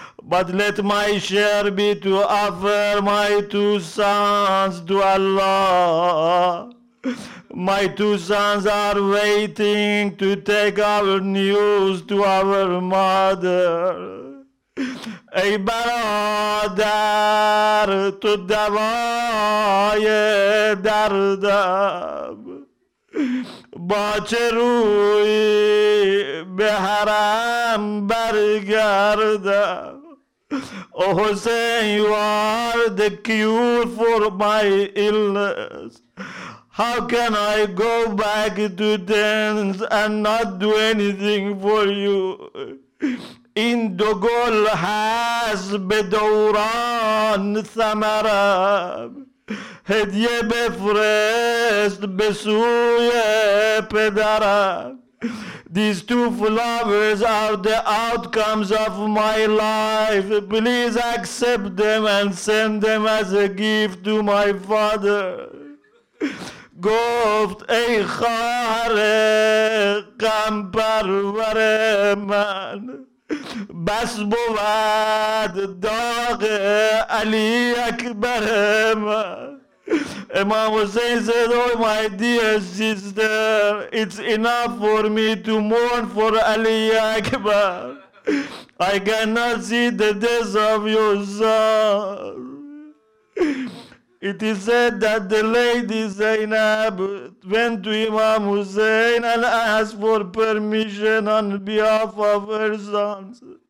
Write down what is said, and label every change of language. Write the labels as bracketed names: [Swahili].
[English] but let my share be to offer my two sons to Allah. My two sons are waiting to take our news to our mother. [Persian] Ey برادر تو دوای دردم با چه روی به حرم برگردم. [English] او Hussein, you are the cure for my illness. How can I go back to dance and not do anything for you? [Persian] این دو گل هست به دوران ثمرم, هدیه بفرست به سوی پدرم. [English] These two flowers are the outcomes of my life. Please accept them and send them as a gift to my father. [Persian] گفت ای خواهر غم پرور من, بس بود داغ علی اکبر من. [English] Imam Hussein said, oh my dear sister, it's enough for me to mourn for Ali Akbar. I cannot see the death of your son. It is said that the lady Zainab went to Imam Hussein and asked for permission on behalf of her sons.